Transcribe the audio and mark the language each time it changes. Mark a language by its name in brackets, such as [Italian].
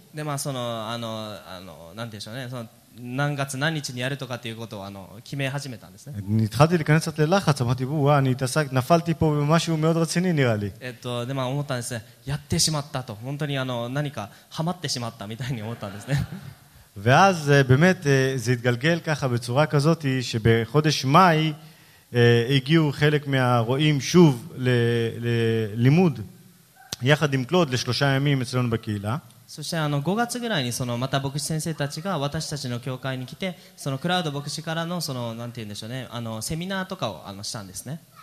[Japanese] で、まあ、その、なんでしょうね、その、何月何日にやるとかっていうことを決め始めたんですね。 [Hebrew] התחלתי להיכנס קצת ללחץ, אמרתי, וואה, אני התעסק, נפלתי פה במשהו מאוד רציני, נראה לי. [Japanese] で、まあ、思ったんですね。やってしまったと。本当に何かハマってしまったみたいに思ったんですね。 [Hebrew] ואז באמת זה התגלגל ככה בצורה כזאת שבחודש מאי הגיעו חלק מהרועים שוב ללימוד יחד עם קלוד לשלושה ימים אצלנו בקהילה. [Japanese] そして5月ぐらいにそのまた牧師先生たちが私たちの教会に来て、そのクラウド牧師からのそのなんて言うんでしょうね、セミナーとかをしたんですね。